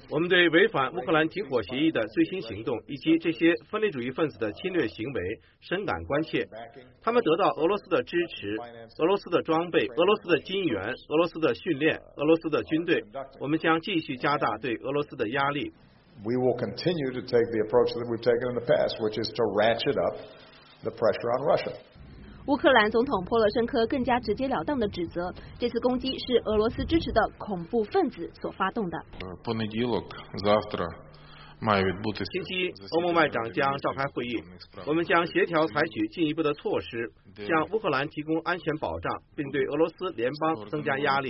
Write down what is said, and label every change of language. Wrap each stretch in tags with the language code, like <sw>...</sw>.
<zh>我们对违反乌克兰停火协议的最新行动以及这些分离主义分子的侵略行为深感关切。他们得到俄罗斯的支持、俄罗斯的装备、俄罗斯的金援、俄罗斯的训练、俄罗斯的军队。我们将继续加大对俄罗斯的压力。</zh> <en>We will continue to take the approach that we've taken in the past, which is to ratchet up the pressure on Russia.</en> <zh>乌克兰总统波罗申科更加直截了当地指责，这次攻击是俄罗斯支持的恐怖分子所发动的。星期一，欧盟外长将召开会议，我们将协调采取进一步的措施，向乌克兰提供安全保障，并对俄罗斯联邦增加压力。</zh>